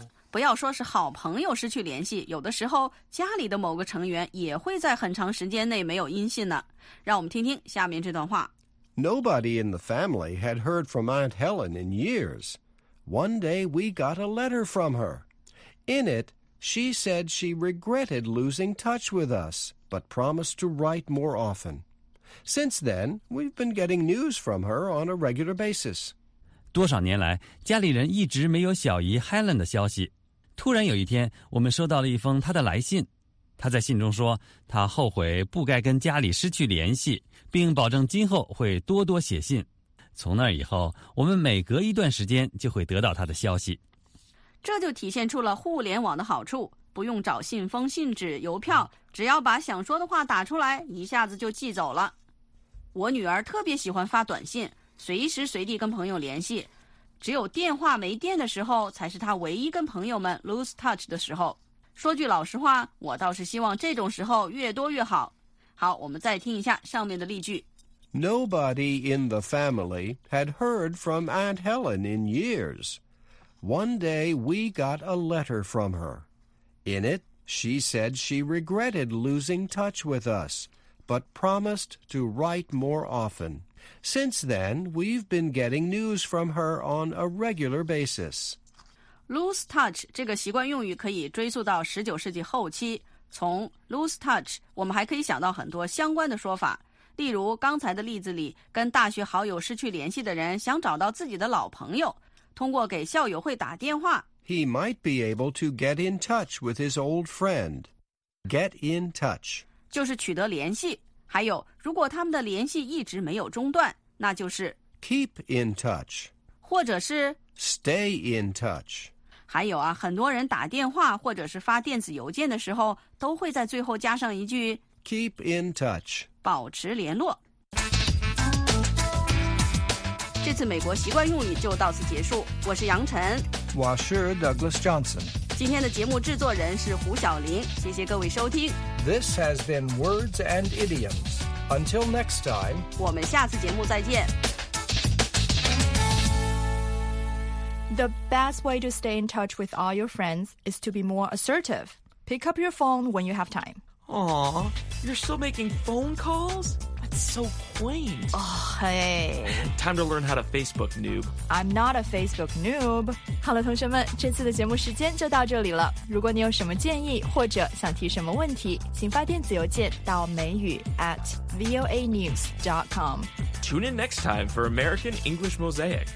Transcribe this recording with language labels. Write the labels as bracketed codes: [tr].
[zh] 不要说是好朋友失去联系，有的时候家里的某个成员也会在很长时间内没有音信呢。让我们听听下面这段话。 [en] Nobody in the family had heard from Aunt Helen in years. One day we got a letter from her. In it, she said she regretted losing touch with us, but promised to write more often. Since then, we've been getting news from her on a regular basis. [zh] 多少年来，家里人一直没有小姨 Helen 的消息。突然有一天，我们收到了一封她的来信。她在信中说，她后悔不该跟家里失去联系，并保证今后会多多写信。从那以后，我们每隔一段时间就会得到他的消息。这就体现出了互联网的好处，不用找信封、信纸、邮票，只要把想说的话打出来，一下子就寄走了。我女儿特别喜欢发短信，随时随地跟朋友联系，只有电话没电的时候才是她唯一跟朋友们 lose touch 的时候。说句老实话，我倒是希望这种时候越多越好。好，我们再听一下上面的例句。 [en] Nobody in the family had heard from Aunt Helen in years. One day we got a letter from her. In it, she said she regretted losing touch with us, but promised to write more often. Since then, we've been getting news from her on a regular basis. [zh] Lose touch 这个习惯用语可以追溯到19世纪后期。从 lose touch, 我们还可以想到很多相关的说法。例如刚才的例子里，跟大学好友失去联系的人想找到自己的老朋友，通过给校友会打电话。 [en] He might be able to get in touch with his old friend. Get in touch. [zh] 就是取得联系。还有，如果他们的联系一直没有中断，那就是 [en] Keep in touch. [zh] 或者是 [en] Stay in touch. [zh] 还有啊，很多人打电话或者是发电子邮件的时候，都会在最后加上一句 [en] Keep in touch. [zh] 保持联络。这次美国习惯用语就到此结束，我是杨晨，我是 Douglas Johnson。今天的节目制作人是胡晓林，谢谢各位收听。 [en] This has been Words and Idioms. Until next time. [zh] 我们下次节目再见。 [en] The best way to stay in touch with all your friends is to be more assertive. Pick up your phone when you have time. Aww. You're still making phone calls? That's so quaint. Oh, hey. Time to learn how to Facebook noob. I'm not a Facebook noob. [zh] 好了，同学们，这次的节目时间就到这里了。如果你有什么建议或者想提什么问题，请发电子邮件到美语@voanews.com. [en] Tune in next time for American English Mosaic.